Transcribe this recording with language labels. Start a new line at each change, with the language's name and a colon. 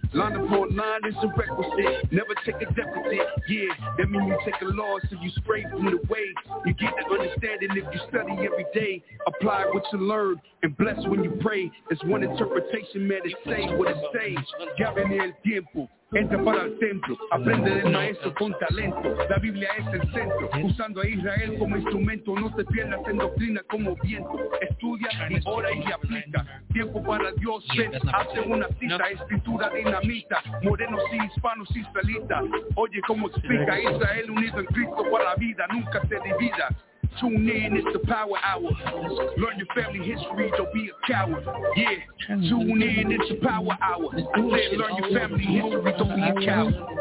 English: Line upon line is a requisite. Never take a deficit. Yeah, that means you take a loss if you spray from the way. You get the understanding if you study every day. Apply what you learn and bless when you pray. It's one interpretation, man, it says what it says.
Spanish: Gavin el tiempo. Entra para el templo, aprende del maestro con talento. La Biblia es el centro, usando a Israel como instrumento. No te pierdas en doctrina como viento. Estudia y ora y aplica. Tiempo para Dios, ven, hace una cita. Escritura dinamita, morenos y hispanos y israelitas. Oye cómo explica Israel unido en Cristo para la vida. Nunca se divida.
English: Tune in, it's the power hour. Learn your family history, don't be a coward. Yeah, tune in, it's the power hour. I said learn your family history, don't be a coward.